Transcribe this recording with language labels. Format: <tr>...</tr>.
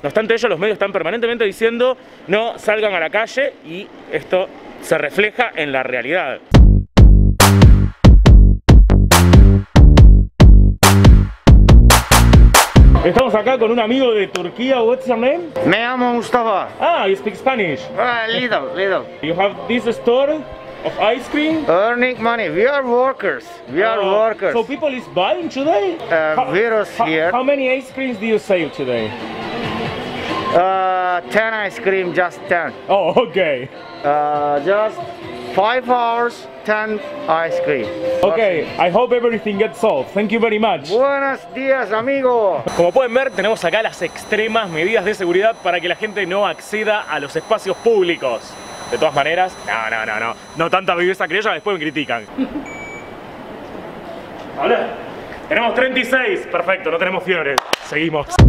<es>No obstante ello, los medios están permanentemente diciendo no salgan a la calle y esto se refleja en la realidad. Estamos acá con un amigo de Turquía.</es> <en>What's your name?</en> <es>Me llamo Mustafa.</es> <en>Ah, you speak Spanish? Little. You have this store of ice cream? Earning money. We are workers. We are workers. So people is buying today? Virus here. How many ice creams do you sell today? 10 ice cream, just 10. Oh, okay. Just 5 hours, 10 ice cream. Okay, I hope everything gets solved. Thank you very much.</en> <es>Buenos días, amigo. Como pueden ver, tenemos acá las extremas medidas de seguridad para que la gente no acceda a los espacios públicos. De todas maneras, no. No tanta viveza criolla, después me critican. Hola. Tenemos 36. Perfecto, no tenemos fiebre. Seguimos.</es>